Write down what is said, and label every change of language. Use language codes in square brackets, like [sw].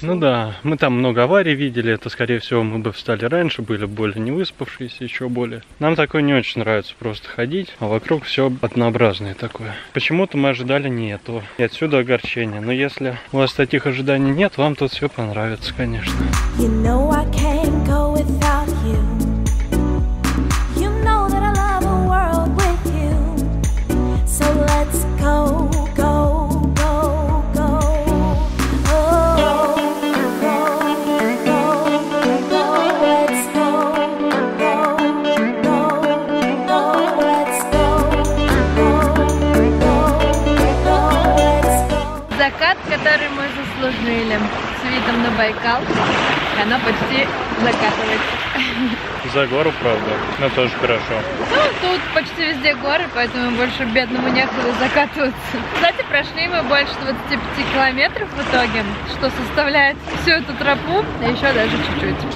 [ru] Ну да, мы там много аварий видели, это скорее всего мы бы встали раньше, были более не выспавшиеся, еще более. Нам такое не очень нравится просто ходить, а вокруг все однообразное такое. Почему-то мы ожидали не этого. И отсюда огорчение. Но если у вас таких ожиданий нет, вам тут все понравится, конечно. [en] You know I can't go without you. You know that I love a world with you. So let's go, go, go, go. Oh, go, go, go, go, let's go, go, go, go, let's go, go, go, go, let's go. [ru] Закат, который мы служили с видом на Байкал, и оно почти закатывается. За гору, правда, но тоже хорошо. Ну, тут почти везде горы, поэтому больше бедному некуда закатываться. Кстати, прошли мы больше 25 километров в итоге, что составляет всю эту тропу, а еще даже чуть-чуть.